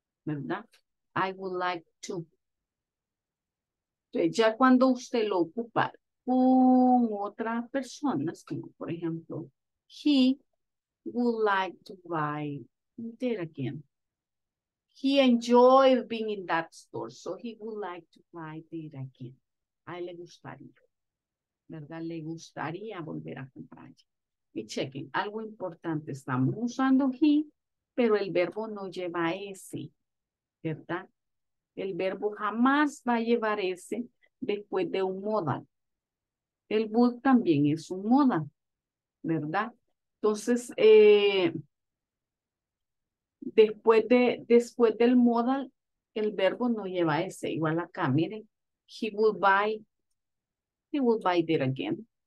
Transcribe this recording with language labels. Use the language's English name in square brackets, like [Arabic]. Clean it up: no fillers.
[Spanish] ¿Verdad? [English] I would like to. [Spanish] Entonces, ya cuando usted lo ocupa con otras personas, como por ejemplo, [English] he would like to buy that again. He enjoyed being in that store, so he would like to buy that again. [Spanish] A él le gustaría. ¿Verdad? Le gustaría volver a comprar allí. Y chequen, algo importante, estamos usando he, pero el verbo no lleva ese, ¿verdad? El verbo jamás va a llevar ese después de un modal. El would también es un modal, ¿verdad? Entonces, después del modal, el verbo no lleva ese. Igual acá, miren, [English] he would buy that again.